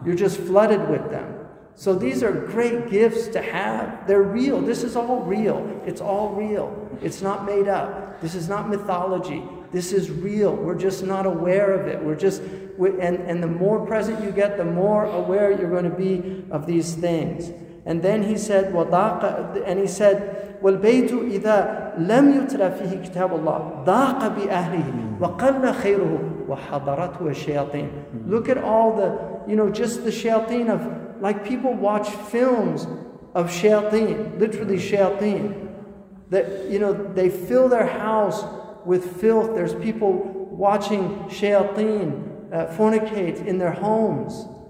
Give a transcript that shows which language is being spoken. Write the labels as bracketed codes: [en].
[en] You're just flooded with them. So these are great gifts to have. They're real. This is all real. It's all real. It's not made up. This is not mythology. This is real. We're just not aware of it. And the more present you get, the more aware you're going to be of these things. And then he said, [ar] وَضَاقَ, [en] and he said, [ar] وَالْبَيْتُ إِذَا لَمْ يُتْرَ فِيهِ كِتَابُ اللَّهِ ضَاقَ بِأَهْلِهِ وَقَلَّ خَيْرُهُ وَحَضَرَتْهُ الشَّيَاطِينَ. [en] Look at all the, you know, just the shayateen of, like people watch films of shayateen, literally shayateen. That, you know, they fill their house with filth. There's people watching shayateen fornicate in their homes.